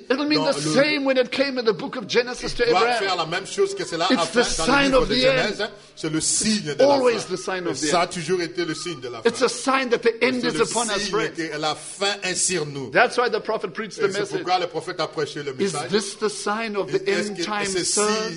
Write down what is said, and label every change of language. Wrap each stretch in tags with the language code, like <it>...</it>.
<en>It'll mean the same when it came in the book of Genesis to Abraham.</en> <fr>Faire la même chose que cela</fr> <en>it's the sign of the end.</en> <fr>C'est le signe</fr> <en>it's</en> <fr>de la</fr> <en>always</en> <fr>fin.</fr> <en>The sign of</en> <fr>ça</fr> <en>the end.</en> <fr>Ça a toujours été le signe de la fin.</fr> <en>It's a sign that the end is</en> <fr>le</fr> <en>upon</en> <fr>signe</fr> <en>us, friends.</en> <fr>Que la fin est sur nous.</fr> <en>That's why the prophet preached</en> <fr>et</fr> <en>the message.</en> <fr>C'est pourquoi le prophète a prêché le message.</fr> <en>Is this the sign of the end time, sir?</en>